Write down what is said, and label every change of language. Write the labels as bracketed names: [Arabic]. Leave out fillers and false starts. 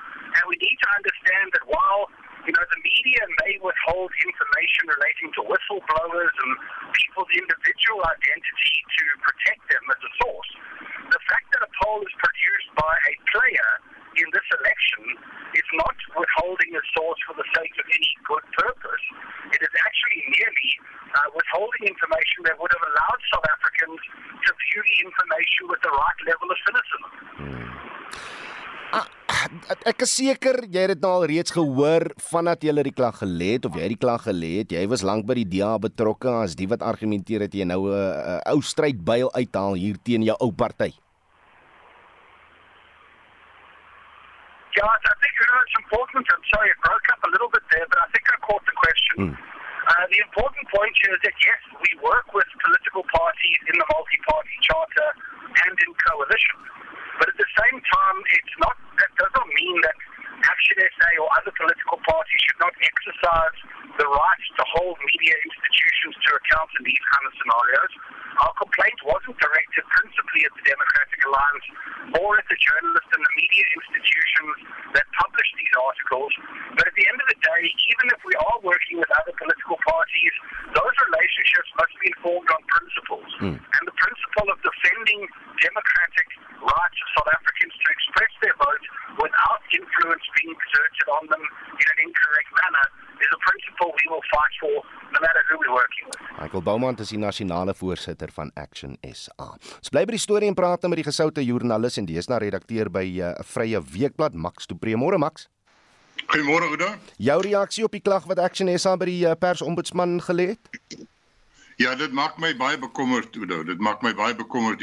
[English] And we need to understand that while, you know, the media may withhold information relating to whistleblowers and people's individual identity to protect them as a source, the fact that a poll is produced by a player in this election is not withholding a source for the sake of any good purpose. It is actually merely withholding information that would have allowed South Africans to view the information with the right level of cynicism. [Afrikaans] Ek is seker jy het dit nou al reeds gehoor vandat jy die klag gelê het, of jy die klag gelê het. Jy was lank by die DA betrokke as die wat argumenteer het jy nou 'n ou strydbuil uithaal hier teen jou ou party. [English] Yes, I think, you know, it's important. I'm sorry, it broke up a little bit there, but I think I caught the question. The important point here is that, yes, we work with political parties in the multi-party charter and in coalition. But at the same time, that does not mean that Action SA or other political parties should not exercise the right to hold media institutions to account in these kind of scenarios. Our complaint wasn't directed principally at the Democratic Alliance or at the journalists and the media institutions that publish these articles. But at the end of the day, even if we are working with other political parties, those relationships must be informed on principles. Mm. And the principle of defending democratic rights of South Africans to express their vote without influence being exerted on them in an incorrect manner is a principle we will fight for no matter who we're working with. [Afrikaans] Michael Beaumont is die nasionale voorsitter van Action SA. Ons bly by die storie en praat met die gesoute joernalis en die is na redakteur by 'n Vrye Weekblad, Max Du Preé. Môre Max. Goeiemôre Oda. Jou reaksie op die klag wat Action SA by die persombudsman gelê het? Ja, dit maak my baie bekommerd, Oda. Dit maak my baie bekommerd.